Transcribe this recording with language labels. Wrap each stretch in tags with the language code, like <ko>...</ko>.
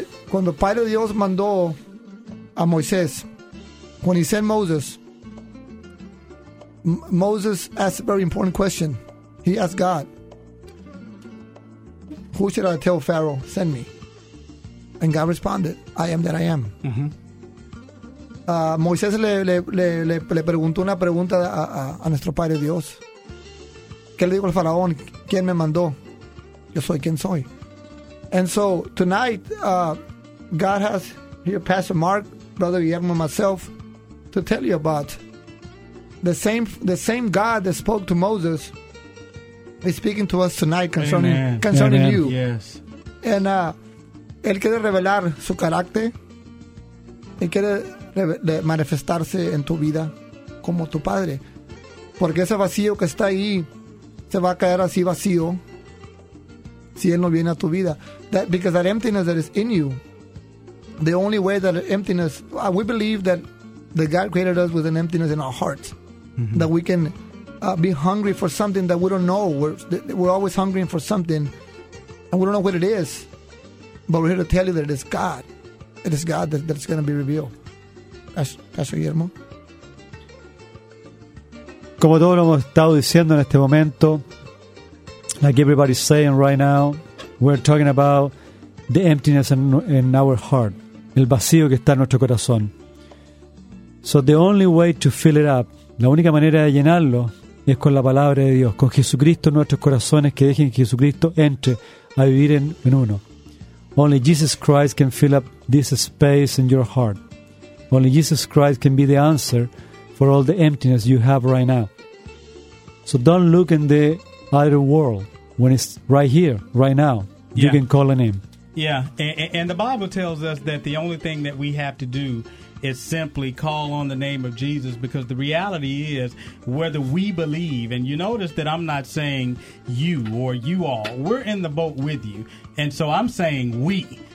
<es>Cuando Padre Dios mandó a Moisés,</es> <en>when he sent Moses, Moses asked a very important question. He asked God, who should I tell Pharaoh, send me? And God responded, I am that I am.</en> <es>Moisés le preguntó una pregunta a nuestro Padre Dios. ¿Qué le dijo el faraón? ¿Quién me mandó? Yo soy quien soy.</es> <en>And so tonight, God has here Pastor Mark, Brother Guillermo, myself, to tell you about the same God that spoke to Moses is speaking to us tonight concerning you. Yes. And</en> <es>él quiere revelar su carácter. Él quiere manifestarse en tu vida como tu padre, porque ese vacío que está ahí se va a caer así vacío si él no viene a tu vida.</es> <en>That, because that emptiness that is in you, the only way that emptiness, we believe that God created us with an emptiness in our hearts, that we can be hungry for something that we don't know. We're always hungering for something and we don't know what it is, but we're here to tell you that it is God that's going to be revealed. Pastor Guillermo.</en> <es>Como todos lo hemos estado diciendo en este momento,</es> <en>like everybody's saying right now, we're talking about the emptiness in our heart,</en> <es>el vacío que está en nuestro corazón.</es> <en>So the only way to fill it up,</en> <es>la única manera de llenarlo, es con la palabra de Dios, con Jesucristo en nuestros corazones, que dejen que Jesucristo entre a vivir en uno.</es> <en>Only Jesus Christ can fill up this space in your heart. Only Jesus Christ can be the answer for all the emptiness you have right now. So don't look in the other world when it's right here, right now. Yeah. You can call on Him. Yeah, and the Bible tells us that the only thing that we have to do is simply call on the name of Jesus, because the reality is, whether we believe, and you notice that I'm not saying you or you all, we're in the boat with you, and so I'm saying we.</en>